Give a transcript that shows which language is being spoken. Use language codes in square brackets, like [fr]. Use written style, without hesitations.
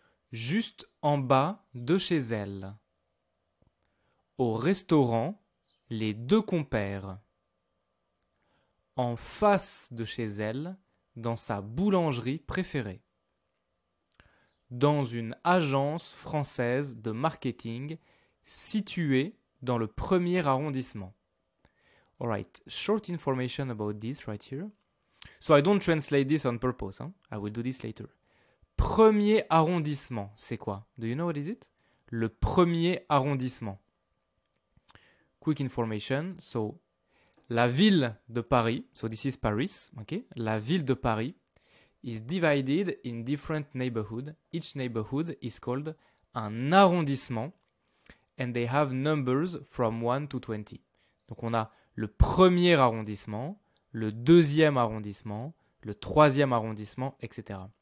[fr] Juste en bas de chez elle. Au restaurant, les deux compères. En face de chez elle, dans sa boulangerie préférée. Dans une agence française de marketing située dans le premier arrondissement. [en] All right, short information about this right here. So I don't translate this on purpose, hein? I will do this later. [fr] Premier arrondissement, c'est quoi? [en] Do you know what is it? [fr] Le premier arrondissement. [en] Quick information, so [fr] la ville de Paris, [en] so this is Paris, okay? [fr] La ville de Paris [en] is divided in different neighborhoods. Each neighborhood is called un arrondissement and they have numbers from 1 to 20. [fr] Donc on a le premier arrondissement, le deuxième arrondissement, le troisième arrondissement, etc.